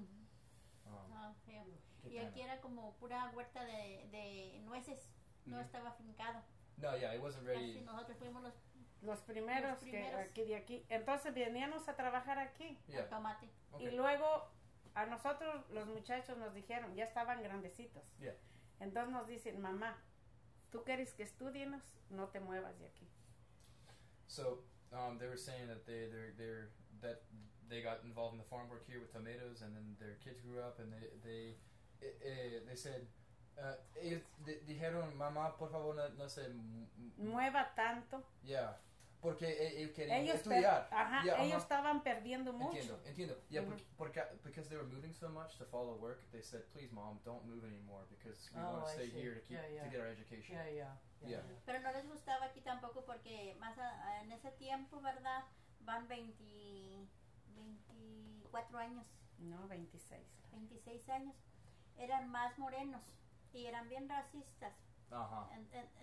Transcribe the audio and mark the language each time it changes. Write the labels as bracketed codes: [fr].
[es] Mm-hmm. Oh, feo. Y aquí era como pura huerta de nueces. No estaba fincado. [en] No, yeah, it wasn't ready. [es] Casi nosotros fuimos los primeros que aquí de aquí. Entonces veníamos a trabajar aquí. [en] Yeah. [es] El tomate. [en] Okay. [es] Y luego a nosotros los muchachos nos dijeron, ya estaban grandecitos. [en] Yeah. [es] Entonces nos dicen, mamá, tú quieres que estudienos, no te muevas de aquí. [en] So, they were saying that they got involved in the farm work here with tomatoes and then their kids grew up and they said, [es] dijeron, mamá, por favor, no se mueva tanto. Yeah, porque ellos querían estudiar. Ellos estaban perdiendo mucho. Entiendo. Yeah, mm-hmm. [en] because they were moving so much to follow work, they said, please, mom, don't move anymore because we want to stay here to keep yeah, yeah. to get our education. Yeah, yeah, yeah. Yeah. [es] Pero no les gustaba aquí tampoco porque más en ese tiempo, ¿verdad? Van 24 años. No, 26. 26 años. Eran más morenos. Y eran bien racistas. Uh-huh.